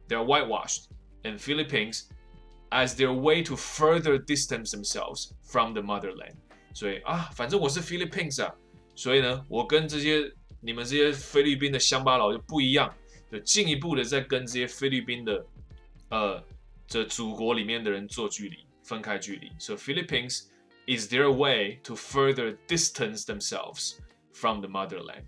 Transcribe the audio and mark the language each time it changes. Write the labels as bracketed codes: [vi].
[en] They are whitewashed in Philippines as their way to further distance themselves from the motherland。 [zh] 所以啊，反正我是 Philippines 啊，所以呢，我跟这些你们这些菲律宾的乡巴佬就不一样，就进一步的在跟这些菲律宾的这祖国里面的人做距离，分开距离。 [en] So Philippines is their way to further distance themselves from the motherland.